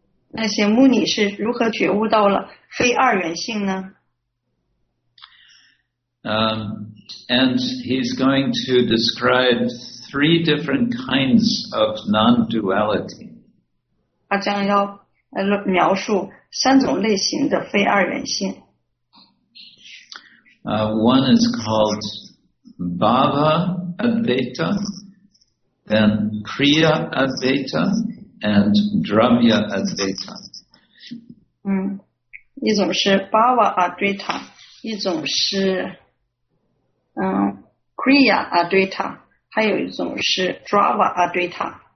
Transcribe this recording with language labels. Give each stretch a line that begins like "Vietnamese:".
Chinese: 那些穆尼是如何觉悟到了非二元性呢？
English: And he's going to describe three different kinds of non-duality.
Chinese: 他将要描述三种类型的非二元性。
English: One is called Bhava Advaita, then Kriya Advaita, and Dramya Advaita.
Chinese: 一种是 Bhava Advaita, 一种是Kriya Advaita, 还有一种是 Drava Advaita.